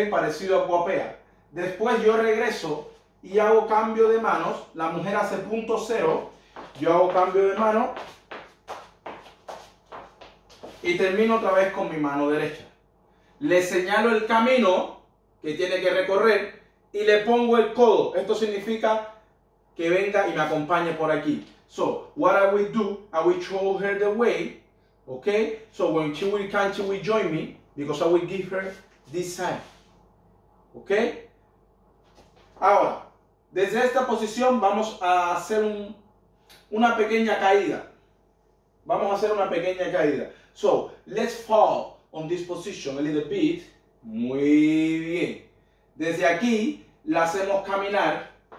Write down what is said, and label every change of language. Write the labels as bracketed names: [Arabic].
[Spanish] Parecido a guapea. Después yo regreso y hago cambio de manos, la mujer hace punto cero, yo hago cambio de mano y termino otra vez con mi mano derecha. Le señalo el camino que tiene que recorrer y le pongo el codo. Esto significa que venga y me acompañe por aquí. [English] So, what I will do, I will show her the way. Okay, so when she will come, she will join me because I will give her this sign. [Spanish] Okay, ahora desde esta posición vamos a hacer una pequeña caída. Vamos a hacer una pequeña caída. [English] So let's fall on this position a little bit. [Spanish] Muy bien. Desde aquí la hacemos caminar.